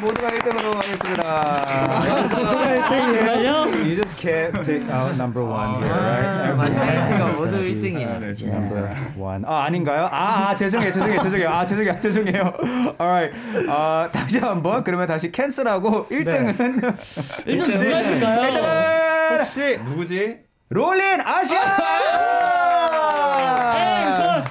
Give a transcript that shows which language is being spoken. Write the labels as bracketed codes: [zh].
[ko] 모두가 1등으로 하겠습니다. [en] You just can't pick out number one here, right? [ko] 만장일치가 모두 1등이야. [en] Number one. [ko] 아, 아닌가요? 아, 죄송해요. Alright, 다시 한번 그러면 다시 캔슬하고 1등은 1등 누가 있을까요? 1등은 혹시 누구지? 롤린 아시아!